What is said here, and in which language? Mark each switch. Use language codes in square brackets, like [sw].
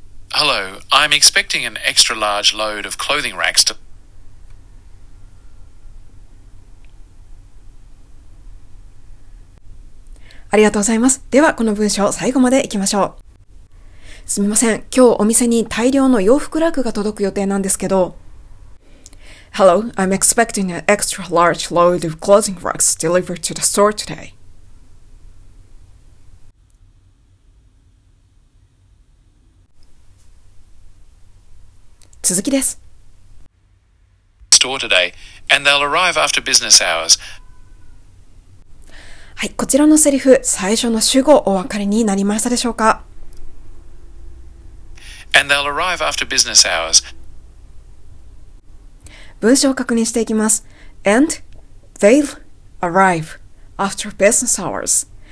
[en] Hello, I'm expecting an extra large load of clothing racks to... [ja] ありがとうございます。ではこの文章最後まで行きましょう。すみません。今日お店に大量の洋服ラックが届く予定なんですけど。 [en] Hello, I'm expecting an extra large load of clothing racks delivered to the store today. [ja] 続きです。 [en] Store today, and they'll arrive after business hours. [ja] はい、こちらのセリフ、最初の主語お分かりになりましたでしょうか。 [en] And they'll arrive after business hours. [ja] 文章を確認していきます。 [en] And they'll arrive after business hours.